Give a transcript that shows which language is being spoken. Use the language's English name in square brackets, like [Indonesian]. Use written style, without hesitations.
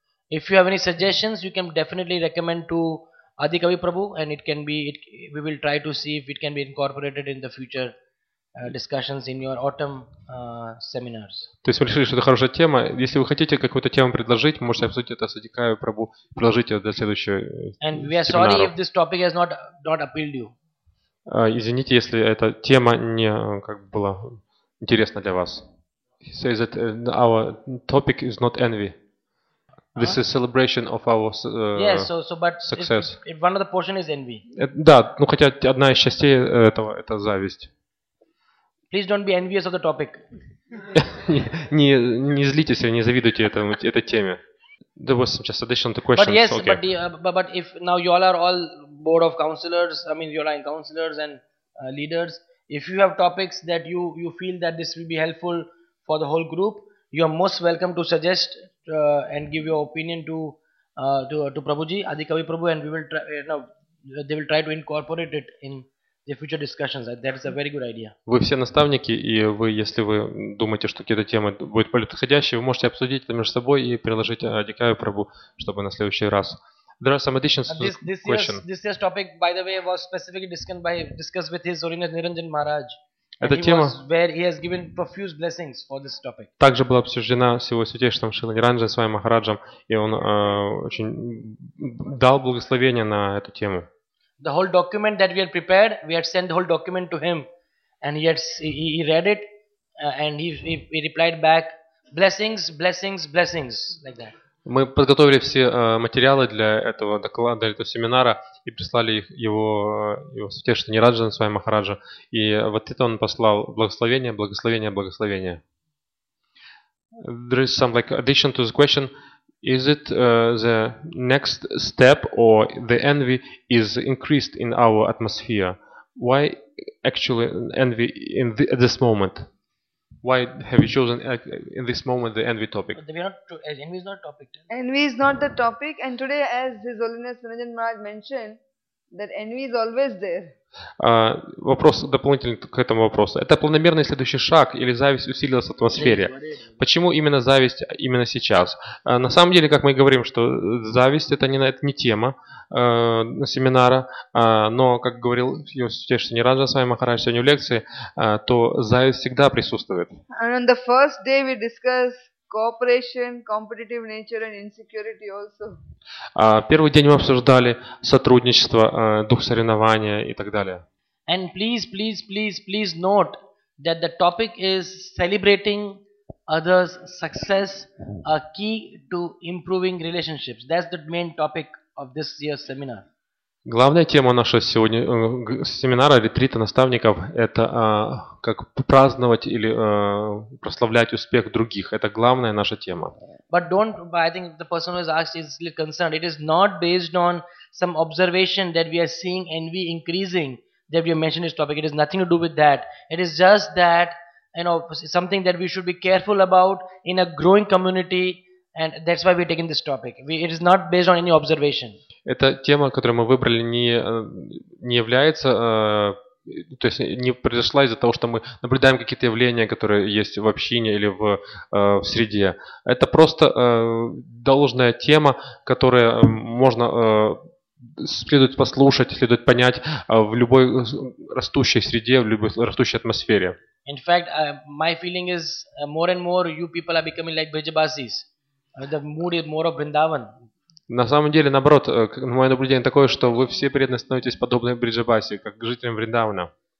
[English] If you have any suggestions, you can definitely recommend to Adikavi Prabhu, and we will try to see if it can be incorporated in the future discussions in your autumn seminars. [Russian] То есть вы решили, что это хорошая тема. Если вы хотите какую-то тему предложить, можете обсудить это с Адикавой Прабу, предложить это для следующего семинара. [English] And we are sorry if this topic has not appealed you. [Russian] Извините, если эта тема не как бы была интересна для вас. [English] He says that our topic is not envy. This is celebration of our success. If one of the portion is envy. [Russian] Да, ну хотя одна из частей этого — это зависть. [English] Please don't be envious of the topic. [Russian] Не злитесь, не завидуйте этой теме. [English] There was just additional to question. But yes, okay. but if now you all are all board of counselors, I mean you all are in counselors and leaders. If you have topics that you feel that this will be helpful for the whole group, you are most welcome to suggest and give your opinion to Prabhuji, Adhikavi Prabhu, and we will try, you know, they will try to incorporate it in the future discussions. That is a very good idea. [Russian] Вы все наставники, и вы, если вы думаете, что какие-то темы будут подходящие, вы можете обсудить это между собой и приложить Адикаю Прабу, чтобы на следующий раз. [English] There are some additions to this question. This year's topic, by the way, was specifically discussed with His Holiness Niranjan Maharaj. [Russian] Эта тема, [English] where he has given profuse blessings for this topic. [Russian] Также была обсуждена с его святейшим Шрилой Ниранджан с вами Махараджем, и он очень дал благословение на эту тему. [English] The whole document that we had prepared, we had sent the whole document to him, and he read it, and he replied back, blessings, blessings, blessings, like that. [Russian] Мы подготовили все материалы для этого доклада, для этого семинара и прислали их его святейшему Нираджану с вами Махараджу. И вот это он послал благословение, благословение, благословение. [English] There is some like addition to the question. Is it the next step or the envy is increased in our atmosphere? Why actually envy in at this moment? Why have you chosen in this moment the envy topic? Envy is not a topic. Envy is not the topic, and today, as His Holiness Niranjan Maharaj mentioned, that envy is always there. [Russian] Вопрос дополнительный к этому вопросу. Это планомерный следующий шаг или зависть усилилась в атмосфере? Почему именно зависть именно сейчас? На самом деле, как мы говорим, что зависть это не тема семинара, но, как говорил Святейший Ниранджан Свами Махарадж сегодня в лекции, то зависть всегда присутствует. [English] And on the first day we discuss cooperation, competitive nature and insecurity also. [Russian] Первый день мы обсуждали сотрудничество, дух соревнования и так далее. [English] And please, please, please, please note that the topic is celebrating others' success, a key to improving relationships. That's the main topic of this year's seminar. [Russian] Главная тема нашего сегодня семинара, ретрита наставников, это как праздновать или прославлять успех других. Это главная наша тема. [English] But don't, I think the person who is asked is a little concerned. It is not based on some observation that we are seeing envy increasing that we have mentioned this topic. It has nothing to do with that. It is just that, you know, something that we should be careful about in a growing community, and that's why we're taking this topic. It is not based on any observation. [Russian] Эта тема, которую мы выбрали, не является, то есть не произошла из-за того, что мы наблюдаем какие-то явления, которые есть в общине или в среде. Это просто должная тема, которую можно следует послушать, следует понять в любой растущей среде, в любой растущей атмосфере. [English] In fact, my feeling is more and more you people are becoming like Brijabasis. The mood is more of Vrindavan. [Russian] На самом деле, наоборот, мое наблюдение такое, что вы все преданно становитесь подобны Бриджабаси, как жителям Вриндавана.